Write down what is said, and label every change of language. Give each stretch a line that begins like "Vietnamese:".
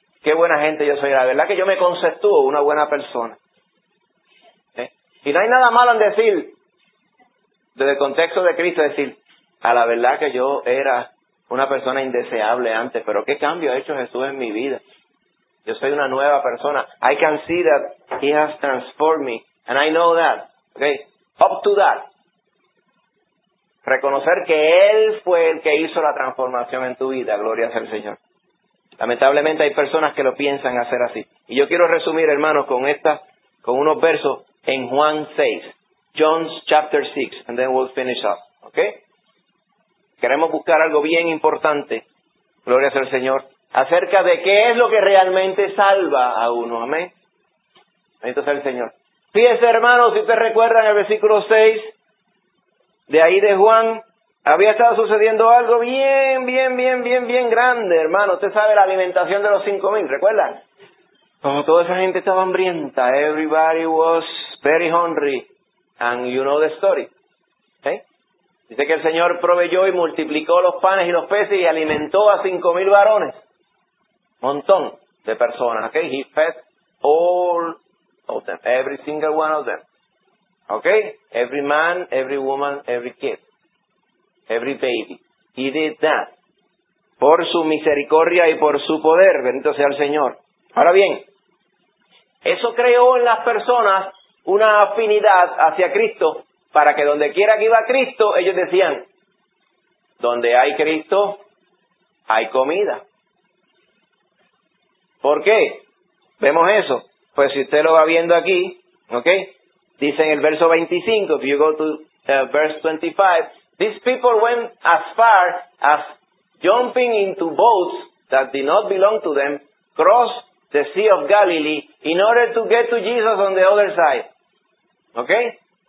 Spanish: Qué buena gente yo soy, la verdad que yo me conceptúo una buena persona. Y no hay nada malo en decir, desde el contexto de Cristo, decir, a la verdad que yo era una persona indeseable antes, pero ¿qué cambio ha hecho Jesús en mi vida? Yo soy una nueva persona.
English: I can see that He has transformed me, and I know that. Okay, up to that.
Spanish: Reconocer que Él fue el que hizo la transformación en tu vida, gloria sea al Señor. Lamentablemente hay personas que lo piensan hacer así. Y yo quiero resumir, hermanos, con unos versos en Juan 6.
English: John chapter 6, and then we'll finish up. Okay?
Spanish: Queremos buscar algo bien importante, gloria sea al Señor, acerca de qué es lo que realmente salva a uno. Amén. Bendito sea el Señor. Fíjense, hermanos, si ustedes recuerdan el versículo 6, de ahí de Juan, había estado sucediendo algo bien grande, hermano. Usted sabe la alimentación de los 5,000, ¿recuerdan? Como toda esa gente estaba hambrienta,
English: everybody was very hungry, and you know the story. ¿Okay?
Spanish: Dice que el Señor proveyó y multiplicó los panes y los peces y alimentó a 5,000 varones. Montón de personas, ¿ok?
English: He fed all of them, every single one of them. ¿Ok? Every man, every woman, every kid. Every baby. He did that.
Spanish: Por su misericordia y por su poder. Bendito sea el Señor. Ahora bien, eso creó en las personas una afinidad hacia Cristo para que donde quiera que iba Cristo, ellos decían, donde hay Cristo, hay comida. ¿Por qué? ¿Vemos eso? Pues si usted lo va viendo aquí, ¿ok? Dice en el verso 25,
English: if you go to verse 25, these people went as far as jumping into boats that did not belong to them, cross the Sea of Galilee, in order to get to Jesus on the other side. Okay?